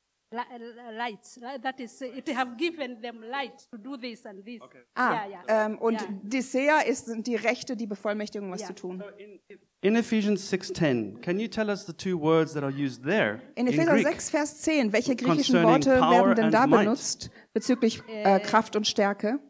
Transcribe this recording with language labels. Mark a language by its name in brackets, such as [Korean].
[English] Lights. That is, it have given them light to do this and this. Okay. [German] Und Dicea sind die Rechte, die Bevollmächtigung, was zu tun. [English] In Ephesians 6:10, can you tell us the two words that are used there? [German] In Epheser 6, Vers 10, welche griechischen Worte werden denn da benutzt bezüglich Kraft und Stärke?